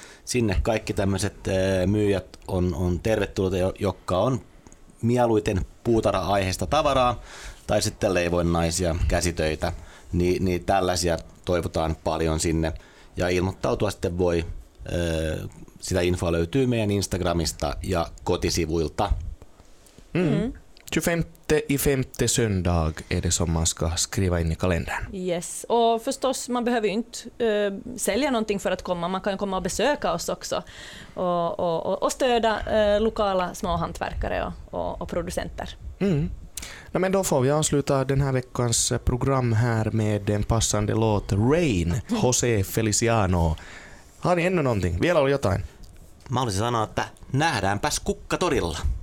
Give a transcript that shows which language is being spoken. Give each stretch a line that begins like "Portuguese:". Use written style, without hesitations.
Finnish: Sinne kaikki tämmöiset myyjät on tervetulleita, jotka on mieluiten puutara-aiheista tavaraa, tai sitten leivonnaisia käsitöitä, niin tällaisia toivotaan paljon sinne. Ja ilmoittautua sitten voi, sitä infoa löytyy meidän Instagramista ja kotisivuilta. Mm.
Swedish: 25 söndag är det som man ska skriva in i kalendern. Yes, och förstås man behöver ju inte sälja någonting för att komma. Man kan ju komma och besöka oss också och stöda lokala småhantverkare och producenter. Mm. No, men då får vi avsluta den här veckans program här med en passande låt Rain, José Feliciano. Har ni ännu någonting?
Finnish: Vielä oli jotain? Mä olisin sanoa, että nähdäänpäs Kukkatorilla.